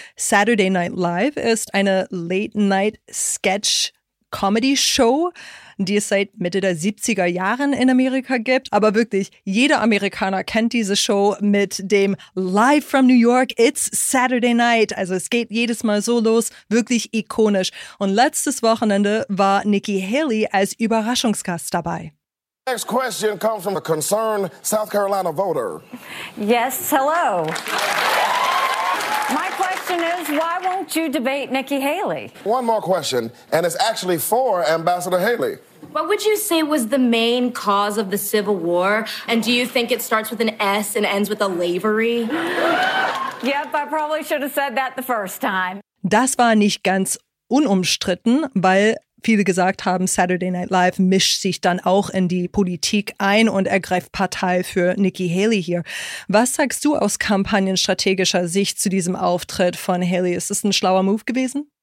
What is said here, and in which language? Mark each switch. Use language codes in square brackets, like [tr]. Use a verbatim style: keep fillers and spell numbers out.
[de] Saturday Night Live ist eine Late-Night-Sketch- Comedy-Show, die es seit Mitte der siebziger Jahren in Amerika gibt. Aber wirklich, jeder Amerikaner kennt diese Show mit dem [en] Live from New York, It's Saturday Night. [de] Also es geht jedes Mal so los, wirklich ikonisch. Und letztes Wochenende war Nikki Haley als Überraschungsgast dabei. [en] Next question comes from a concerned South Carolina voter. Yes, hello. My question is, why won't you debate Nikki Haley? One more question, and it's actually for Ambassador Haley. What would you say was the main cause of the Civil War? And do you think it starts with an S and ends with a lavery? Yep, I probably should have said that the first time. [de] Das war nicht ganz unumstritten, weil viele gesagt haben, Saturday Night Live mischt sich dann auch in die Politik ein und ergreift Partei für Nikki Haley hier. Was sagst du aus kampagnenstrategischer Sicht zu diesem Auftritt von Haley? Ist es ein schlauer Move gewesen?